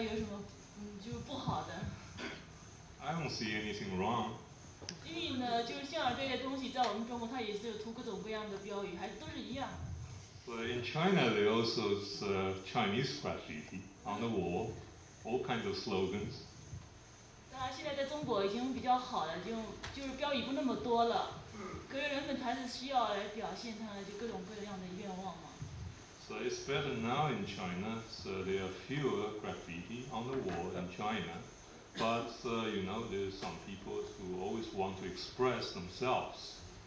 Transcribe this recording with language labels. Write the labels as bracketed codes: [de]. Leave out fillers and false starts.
[zh] 我并没有感到有什么不好的。 [en] I don't see anything wrong. [zh] 因为呢，就是像这些东西在我们中国，它也是有涂各种各样的标语，还都是一样。 [en] But in China, they also Chinese graffiti on the wall, all kinds of slogans. [zh] 当然，现在在中国已经比较好了，就是标语不那么多了。可是人们还是需要来表现他就各种各样的愿望嘛。 [en] So it's better now in China, so there are fewer graffiti on the wall in China, but you know, there's some people who always want to express themselves.